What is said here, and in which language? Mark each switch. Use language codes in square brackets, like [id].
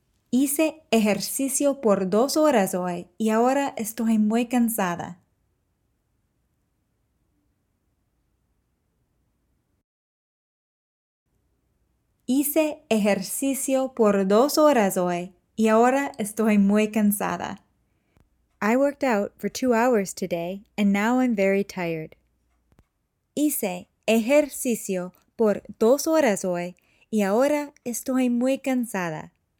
[es] Hice ejercicio por 2 horas hoy y ahora estoy muy cansada. Hice ejercicio por 2 horas hoy y ahora estoy muy cansada. [en] I worked out for 2 hours today and now I'm very tired. [es] Hice ejercicio por 2 horas hoy y ahora estoy muy cansada.